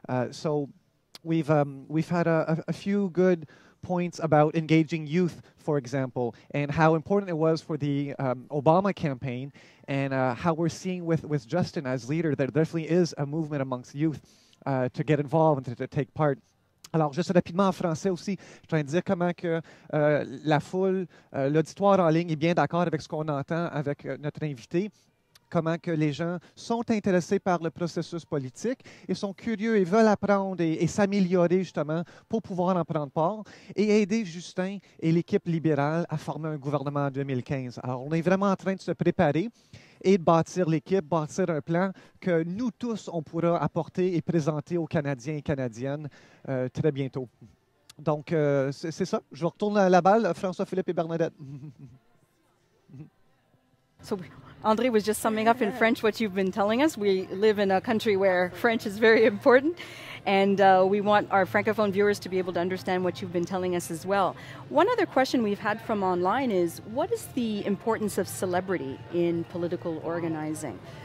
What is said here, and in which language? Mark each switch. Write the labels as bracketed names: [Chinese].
[English] So we've had a few good points about engaging youth, for example, and how important it was for the Obama campaign, and how we're seeing with Justin as leader, there definitely is a movement amongst youth to get involved and to take part. [French] Alors, juste rapidement en français aussi, je train de dire comment que la foule, l'auditoire en ligne est bien d'accord avec ce qu'on entend avec notre invité. Comment que les gens sont intéressés par le processus politique et sont curieux et veulent apprendre et s'améliorer justement pour pouvoir en prendre part et aider Justin et l'équipe libérale à former un gouvernement en 2015. Alors, on est vraiment en train de se préparer et de bâtir l'équipe, bâtir un plan que nous tous, on pourra apporter et présenter aux Canadiens et Canadiennes très bientôt. Donc, c'est ça. Je vous retourne la balle, François-Philippe et Bernadette. [English] André was just summing up in French what you've been telling us. We live in a country where French is very important, and we want our Francophone viewers to be able to understand what you've been telling us as well. One other question we've had from online is, what is the importance of celebrity in political organizing?